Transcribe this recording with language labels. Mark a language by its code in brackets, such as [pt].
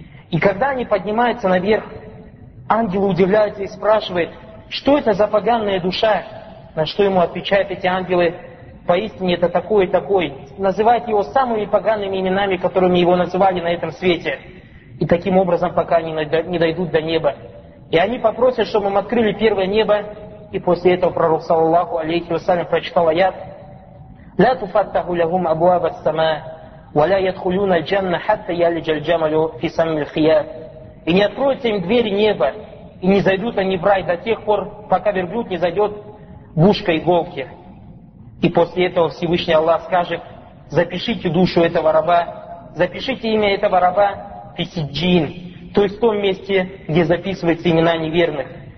[ru] И когда они поднимаются наверх, ангелы удивляются и спрашивают, что это за поганая душа? На что ему отвечают эти ангелы, поистине это такой и такой. Называют его самыми погаными именами, которыми его называли на этом свете. И таким образом, пока они не дойдут до неба. И они попросят, чтобы им открыли первое небо. И после этого пророк, саллаллаху алейхи вассалям, прочитал аят, [ar] لا تفتح لهم أبواب السماء ولا يدخلون الجنة حتى يلج الجمل في سم الخياط. [ru] И не откроются им двери неба, и не зайдут они в рай до тех пор, пока верблюд не зайдет в ушко иголки. И после этого Всевышний Аллах скажет, запишите душу этого раба, запишите имя этого раба [ar] في سجين, [ru] то есть в том месте, где записываются имена неверных.